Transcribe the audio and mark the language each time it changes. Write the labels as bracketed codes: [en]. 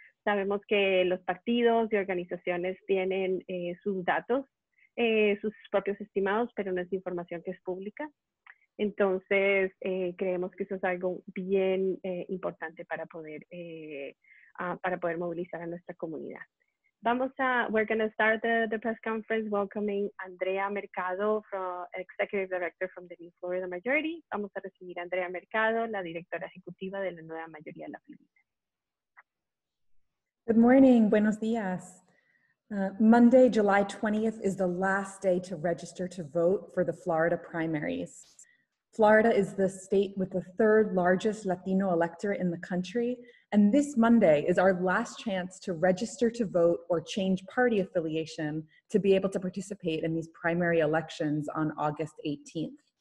[es] Sabemos que los partidos y organizaciones tienen sus datos, sus propios estimados, pero no es información que es pública. Entonces, creemos que eso es algo bien importante para poder movilizar a nuestra comunidad. [en] We're going to start the press conference welcoming Andrea Mercado, Executive Director from the New Florida Majority. [es] Vamos a recibir a Andrea Mercado, la directora ejecutiva de la Nueva Mayoría de la Florida. [en] Good morning. [es] Buenos días. [en] Monday, July 20th is the last day to register to vote for the Florida primaries. Florida is the state with the third largest Latino electorate in the country. And this Monday is our last chance to register to vote or change party affiliation to be able to participate in these primary elections on August 18th.